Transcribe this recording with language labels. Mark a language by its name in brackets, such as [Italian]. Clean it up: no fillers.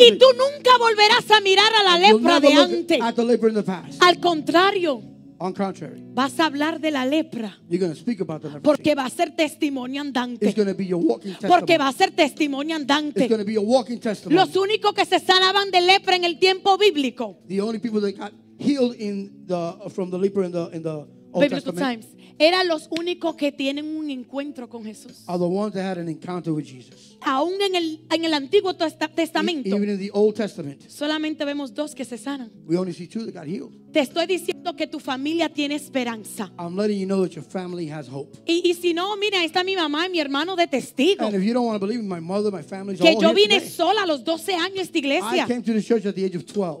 [Spanish] y tú nunca volverás a mirar a la lepra de antes. [English] At the leper in the past. [Spanish] Al contrario. [English] On contrary, [Spanish] vas a hablar de la lepra. [English] You're going to speak about the leprosy. [Spanish] Porque va a ser testimonio andante. [English] It's going to be your walking testimony. [Spanish] Porque va a ser testimonio andante. [English] It's going to be your walking testimony. [Spanish] Los únicos que se sanaban de lepra en el tiempo bíblico. [English] The only people that got healed from the leper in the Old biblical Testament. Times. [Spanish] Eran los únicos que tienen un encuentro con Jesús. [English] Are the ones that had an encounter with Jesus. [Spanish] Aún en el Antiguo Testamento. [English] Even in the Old Testament. [Spanish] Solamente vemos dos que se sanan. [English] We only see two that got healed. [Spanish] Te estoy diciendo que tu familia tiene esperanza. [English] I'm letting you know that your family has hope. [Spanish] Y si no, mira, está mi mamá y mi hermano de testigo. [English] And if you don't want to believe me, my mother, my family's [Spanish] que [English] all [Spanish] yo vine [English] here today. [Spanish] Sola a los 12 años a esta iglesia. [English] I came to the church at the age of 12.